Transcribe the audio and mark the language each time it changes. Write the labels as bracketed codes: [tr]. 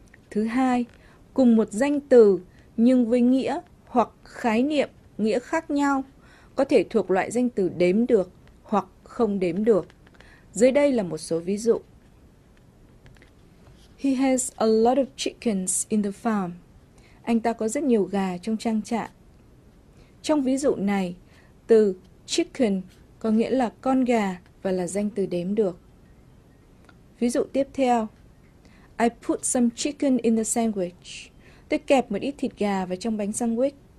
[vi] Thứ hai, cùng một danh từ nhưng với nghĩa hoặc khái niệm nghĩa khác nhau, có thể thuộc loại danh từ đếm được hoặc không đếm được. Dưới đây là một số ví dụ. [en] He has a lot of chickens in the farm. [vi] Anh ta có rất nhiều gà trong trang trại. Trong ví dụ này, từ chicken có nghĩa là con gà và là danh từ đếm được. Ví dụ tiếp theo. [en] I put some chicken in the sandwich. [vi] Tôi kẹp một ít thịt gà vào trong bánh sandwich.